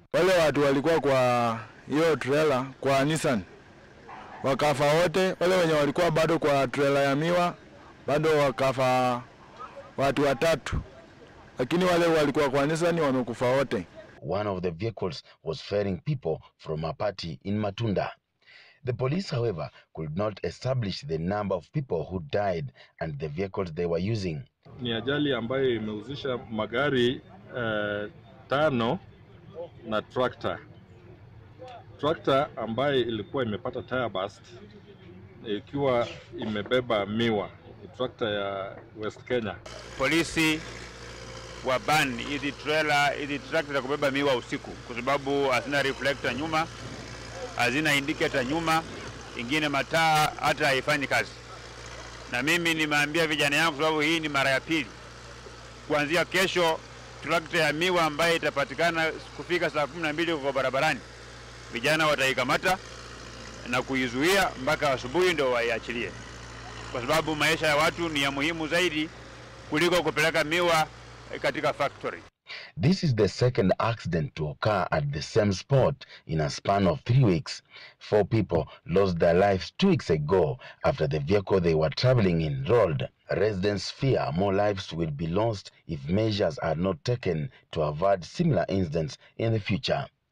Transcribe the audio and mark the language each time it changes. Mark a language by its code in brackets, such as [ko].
[sw] Wale watu walikuwa kwa hiyo trailer kwa Nissan wakafa wote, wale wenye walikuwa bado kwa trailer ya miwa bado wakafa watu watatu, lakini wale walikuwa kwa Nissan wamekufa wote. [en] One of the vehicles was ferrying people from a party in Matunda. The police, however, could not establish the number of people who died and the vehicles they were using. [sw] Ni ajali ambayo imehusisha magari tano na tractor. Tractor ambayo ilikuwa imepata tire burst ikiwa imebeba miwa. Tractor ya West Kenya. Polisi waban hizi trailer, hizi tractor za kubeba miwa usiku kwa sababu hazina reflector nyuma, hazina indicator nyuma, ingine mataa hata haifanyi kazi. Na mimi nimeambia vijana yangu sababu hii ni mara ya pili. Kuanzia kesho tractor ya miwa ambayo itapatikana kufika saa 12 kwa barabarani, vijana wataikamata na kuizuia mpaka asubuhi ndio waiachilie. Kwa sababu maisha ya watu ni ya muhimu zaidi kuliko kupeleka miwa katika factory. [en] This is the second accident to occur at the same spot in a span of 3 weeks. Four people lost their lives 2 weeks ago after the vehicle they were traveling in rolled. Residents fear more lives will be lost if measures are not taken to avoid similar incidents in the future.